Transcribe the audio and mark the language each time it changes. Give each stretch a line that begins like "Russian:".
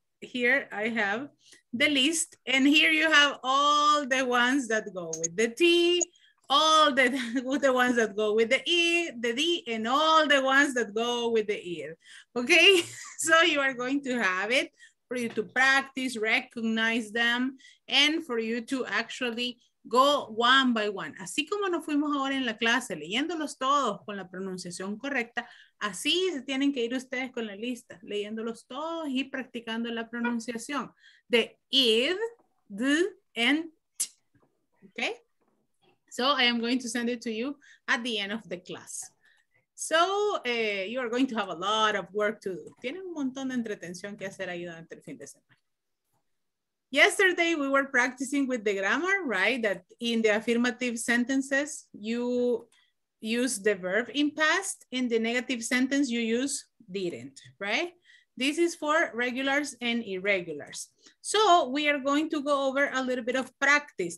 English: Here I have the list, and here you have all the ones that go with the T, all the ones that go with the E, the D, and all the ones that go with the E. Okay, so you are going to have it for you to practice, recognize them, and for you to actually go one by one.
Spanish: Así como nos fuimos ahora en la clase, leyéndolos todos con la pronunciación correcta, así se tienen que ir ustedes con la lista, leyéndolos todos y practicando la pronunciación.
English: The id, the, and t. Okay? So I am going to send it to you at the end of the class. So you are going to have a lot of work to do.
Spanish: Tienen un montón de entretención que hacer ahí durante el fin de semana.
English: Yesterday we were practicing with the grammar, right? That in the affirmative sentences, you use the verb in past. In the negative sentence, you use didn't, right? This is for regulars and irregulars. So we are going to go over a little bit of practice.